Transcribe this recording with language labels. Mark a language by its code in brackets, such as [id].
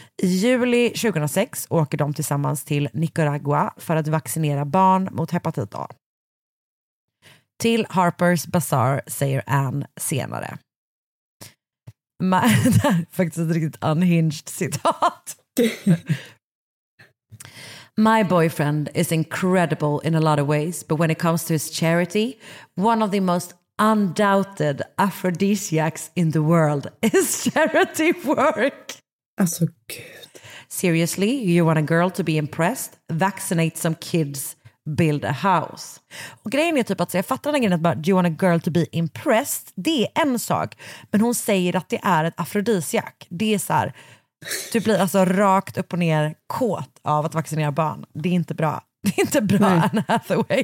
[sv] I juli 2006 åker de tillsammans till Nicaragua för att vaccinera barn mot hepatit A. Till Harper's Bazaar säger Anne senare. Det här är faktiskt ett riktigt unhinged citat. [en] My boyfriend is incredible in a lot of ways, but when it comes to his charity, one of the most undoubted aphrodisiacs in the world is charity work. [sv] Alltså, gud. [en] Seriously, you want a girl to be impressed? Vaccinate some kids, build a house. [sv] Och grejen är typ att jag fattar den grejen att bara, [en] do you want a girl to be impressed? [sv] Det är en sak, men hon säger att det är ett aphrodisiac. Det är så här... Du blir alltså rakt upp och ner kåt av att vaccinera barn. Det är inte bra. Det är inte bra. Nej. Anne Hathaway.